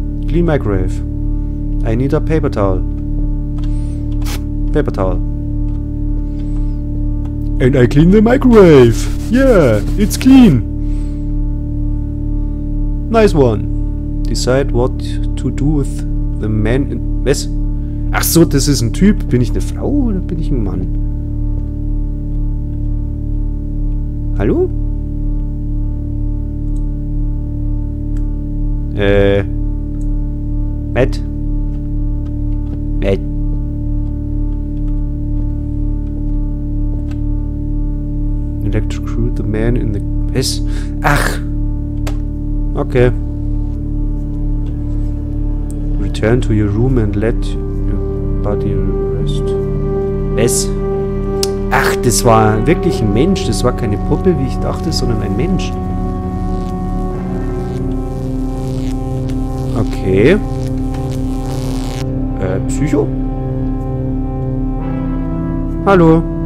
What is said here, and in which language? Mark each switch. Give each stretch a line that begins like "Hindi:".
English: Clean microwave. I need a paper towel. Paper towel. And I clean the microwave. Yeah, it's clean. Nice one. Decide what to do with the man in...
German: Was? Ach so, das ist ein Typ. Bin ich eine Frau oder bin ich ein Mann? Hallo? Matt?
English: Electrocute the man in the...
German: Was? Ach!
English: Okay. Return to your room and let your body rest.
German: Was? Ach! Ach, das war wirklich ein Mensch. Das war keine Puppe, wie ich dachte, sondern ein Mensch.
English: Okay. Psycho?
German: Hallo?